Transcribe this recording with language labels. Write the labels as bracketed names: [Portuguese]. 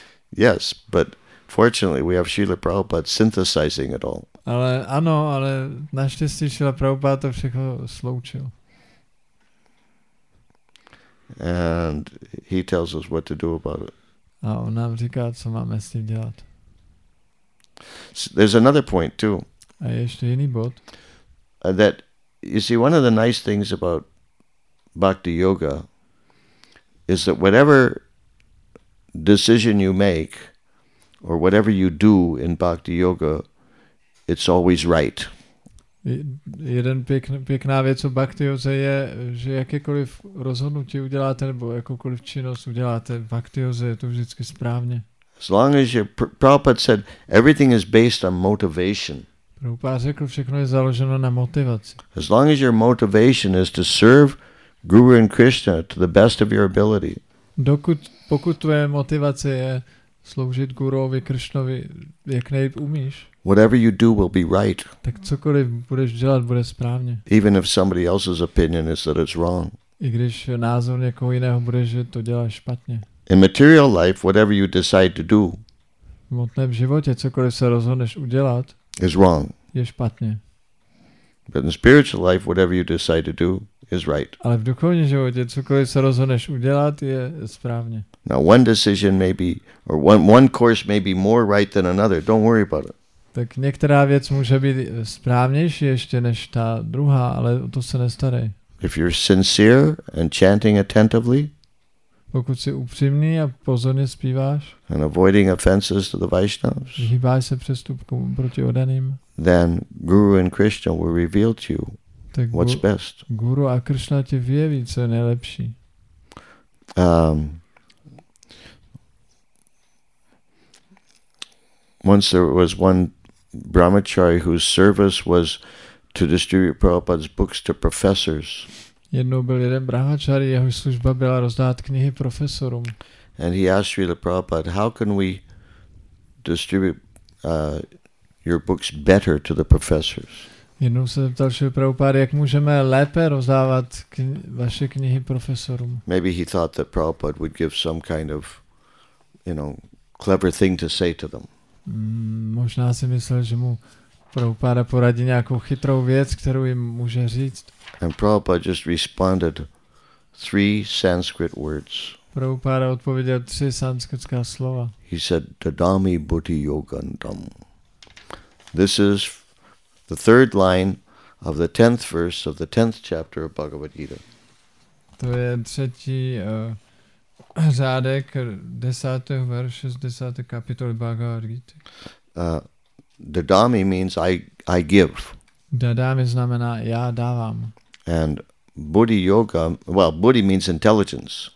[English] Yes, but fortunately we have Srila Prabhupada synthesizing it all. [Czech] Ale ano, ale naštěstí Srila Prabhupada to všechno sloučil. [English] And he tells us what to do about it. [Czech] A on nám říká, co máme s tím dělat. [English] There's another point too. [Czech] A ještě jiný bod. [English] That you see, one of the nice things about bhakti yoga is that whatever decision you make or whatever you do in bhakti yoga, it's always right. [Czech] Jeden pěkná věc o bhakti yoze je, že jakékoliv rozhodnutí uděláte nebo jakoukoliv činnost uděláte v bhakti yoze, je to vždycky správně. [English] As long as you, Prabhupada said, everything is based on motivation. [Czech] Prabhupada řekl, všechno je založeno na motivaci. [English] As long as your motivation is to serve Guru and Krishna to the best of your ability. [Czech] Pokud tvoje motivace je sloužit Guruovi Krishnovi, jak nejlíp umíš. [English] Whatever you do will be right. [Czech] Tak cokoliv budeš dělat, bude správně. [English] Even if somebody else's opinion is that it's wrong. [Czech] I když názor někoho jiného bude, že to děláš špatně. [English] In material life, whatever you decide to do. [Czech] V hmotném životě cokoliv se rozhodneš udělat. [English] Is wrong. [Czech] Je špatně. [English] But in spiritual life, whatever you decide to do is right. [Czech] Ale v duchovním životě cokoliv se rozhodneš udělat, je správně. [English] Now one decision may be, or one course may be more right than another. Don't worry about it. [Czech] Tak některá věc může být správnější ještě než ta druhá, ale o to se nestarej. [English] If you're sincere and chanting attentively, [Czech] pokud jsi upřímný a pozorně zpíváš, [English] and avoiding offenses to the Vaishnavas, [Czech] vyhýbáš se přestupkům proti odaným, [English] then Guru and Krishna will reveal to you what's best. [Czech] Guru a Krishna ti vyjeví, co je nejlepší. [English] Once there was one brahmachari whose service was to distribute Prabhupada's books to professors. [Czech] Jednou byl jeden brahmachari, jehož služba byla rozdávat knihy profesorům. [English] And he asked Srila Prabhupada, how can we distribute your books better to the professors? [Czech] Jednou se zeptal Srila Prabhupada, jak můžeme lépe rozdávat vaše knihy profesorům. [English] Maybe he thought that Prabhupada would give some kind of, clever thing to say to them. [Czech] Možná si myslel, že mu Prabhupada poradí nějakou chytrou věc, kterou jim může říct. [English] And Prabhupada just responded three Sanskrit words. [Czech] Prabhupada odpověděl tři sanskritská slova. [English] He said, [Sanskrit] Dadami Bhuti Yogandam. [English] This is the third line of the 10th verse of the 10th chapter of Bhagavad Gita. [Czech] To je třetí řádek desátého verše z desáté kapitoly Bhagavad Gita. [English] Dadami means I give. [Czech] Dadami znamená já dávám. [English] And Bhuti Yoga, well, Bhuti means intelligence.